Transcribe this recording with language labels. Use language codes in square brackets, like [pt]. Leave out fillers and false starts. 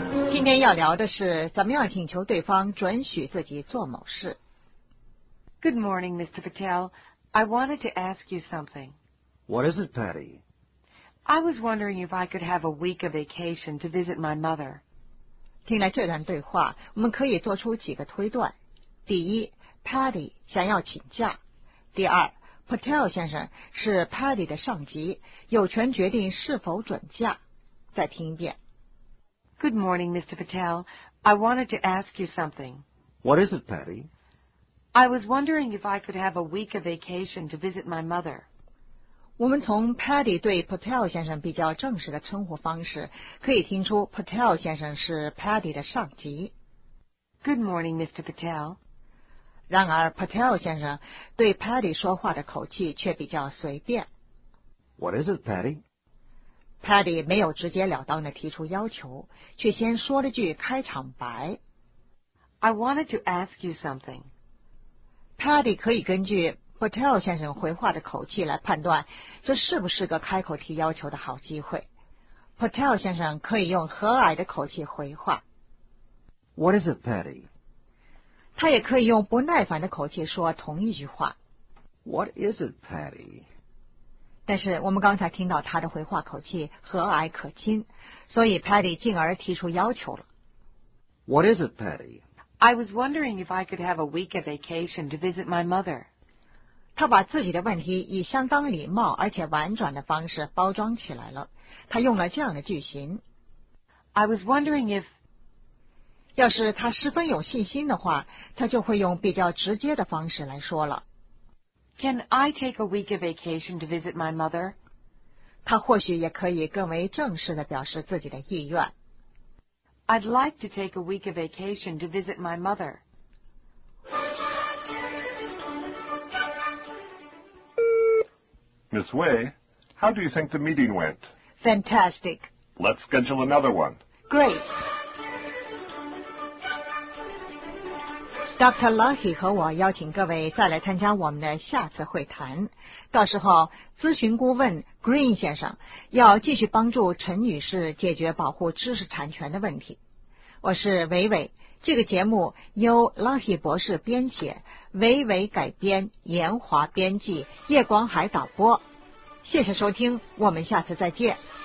[zh] 今天要聊的是怎么样请求对方准许自己做某事。 [en] Good morning, Mr. Patel. I wanted to ask you something. What is it, Patty? I was wondering if I could have a week of vacation to visit my mother. [zh] 听了这段对话，我们可以做出几个推断。第一 ，Patty 想要请假。第二 ，Patel 先生是 Patty 的上级，有权决定是否准假。再听一遍。 [en] Good morning, Mr. Patel. I wanted to ask you something. What is it, Patty? I was wondering if I could have a week of vacation to visit my mother. [zh] 我们从 Patty 对 Patel 先生比较正式的称呼方式，可以听出 Patel 先生是 Patty 的上级。 [en] Good morning, Mr. Patel. [zh] 然而 Patel 先生对 Patty 说话的口气却比较随便。 [en] What is it, Patty? [zh] Patty 没有直截了当地提出要求，却先说了句开场白。 [en] I wanted to ask you something. [zh] Patty 可以根据 Patel 先生回话的口气来判断这是不是个开口提要求的好机会。 Patel 先生可以用和蔼的口气回话。 [en] What is it, Patty? [zh] 他也可以用不耐烦的口气说同一句话。 [en] What is it, Patty? [zh] 但是我们刚才听到他的回话口气和蔼可亲，所以 Patty 进而提出要求了。 [en] What is it, Patty? I was wondering if I could have a week of vacation to visit my mother. [zh] 他把自己的问题以相当礼貌而且婉转的方式包装起来了。他用了这样的句型。 [en] I was wondering if... [zh] 要是他十分有信心的话，他就会用比较直接的方式来说了。 [en] Can I take a week of vacation to visit my mother? [zh] 他或许也可以更为正式地表示自己的意愿。 [en] I'd like to take a week of vacation to visit my mother. Miss Wei, how do you think the meeting went? Fantastic. Let's schedule another one. Great. Dr. [zh] Lucky 和我邀请各位再来参加我们的下次会谈，到时候咨询顾问 Green 先生要继续帮助陈女士解决保护知识产权的问题。我是伟伟，这个节目由 Lucky 博士编写，伟伟改编，严华编辑，叶光海导播。谢谢收听，我们下次再见。